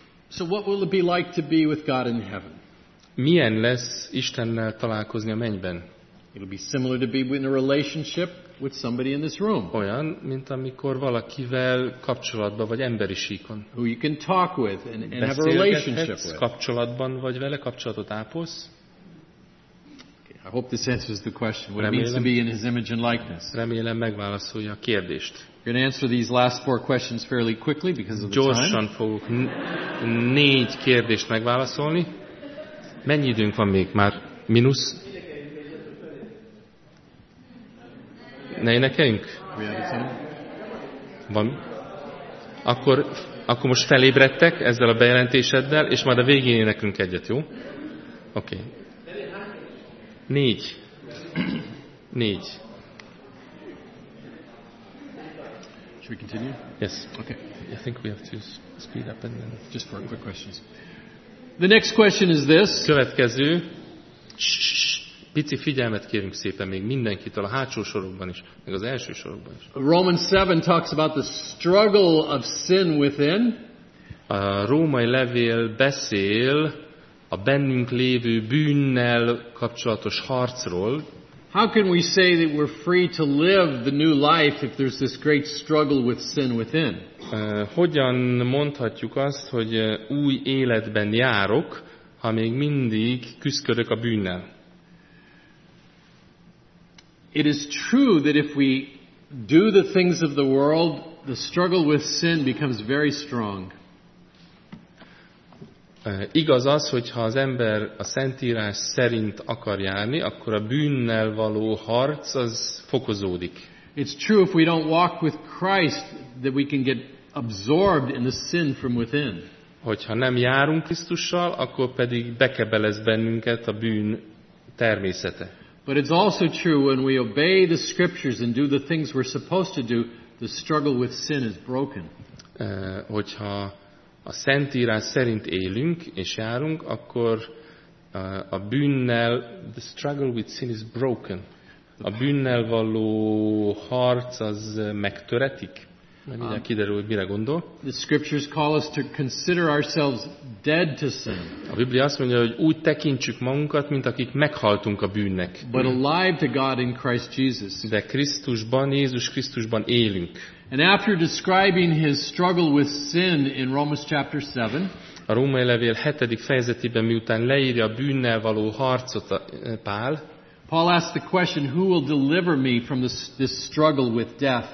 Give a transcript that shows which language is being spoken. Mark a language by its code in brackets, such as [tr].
[en] So what will it be like to be with God in heaven? [hu] Milyen lesz Istennel találkozni a mennyben? [en] It will be similar to be in a relationship with somebody in this room. [hu] Olyan, mint amikor valakivel kapcsolatban vagy emberi síkon. [en] Who you can talk with and have a relationship with. [hu] Kapcsolatban vagy vele kapcsolatot ápolsz. [en] Okay, I hope this answers the question. What it means to be in his image and likeness. [hu] Remélem megválaszolja a kérdést. [en] You're going to answer these last four questions fairly quickly because of the [hu] gyorsan [en] time. [hu] Gyorsan fogok négy kérdést megválaszolni. Mennyi időnk van még? Már mínusz? Ne énekeljünk? Van. Akkor most felébredtek ezzel a bejelentéseddel, és majd a végén énekünk egyet, jó? Oké. Okay. 4. [en] Should we continue? Yes. Okay. I think we have to speed up and then. Just for quick questions. The next question is this. [hu] Következő. Pici figyelmet kérünk szépen még mindenkitől a hátsó sorokban is, meg az első sorokban is. [en] Romans 7 talks about the struggle of sin within. [hu] A római levél beszél a bennünk lévő bűnnel kapcsolatos harcról. [en] How can we say that we're free to live the new life if there's this great struggle with sin within? [hu] Hogyan mondhatjuk azt, hogy új életben járok, ha még mindig küszködök a bűnnel? [en] It is true that if we do the things of the world, the struggle with sin becomes very strong. [hu] Igaz az, hogyha az ember a Szentírás szerint akar járni, akkor a bűnnel való harc az fokozódik. [en] It's true if we don't walk with Christ that we can get absorbed in the sin from within. [hu] Hogyha nem járunk Krisztussal, akkor pedig bekebelez bennünket a bűn természete. [en] But it's also true when we obey the scriptures and do the things we're supposed to do, the struggle with sin is broken. [hu] Hogyha a Szentírás szerint élünk és járunk, akkor a bűnnel, [en] the struggle with sin is broken. [hu] A bűnnel való harc az megtöretik. Mindjárt kiderül, hogy mire gondol. [en] The scriptures call us to consider ourselves dead to sin. [hu] A Biblia azt mondja, hogy úgy tekintsük magunkat, mint akik meghaltunk a bűnnek. [en] But alive to God in Christ Jesus. [hu] De Krisztusban, Jézus Krisztusban élünk. [en] And after describing his struggle with sin in Romans chapter 7, [hu] a római levél 7. fejezetében, miután leírja a bűnnel való harcot Pál, [en] Paul asks the question, who will deliver me from this struggle with death?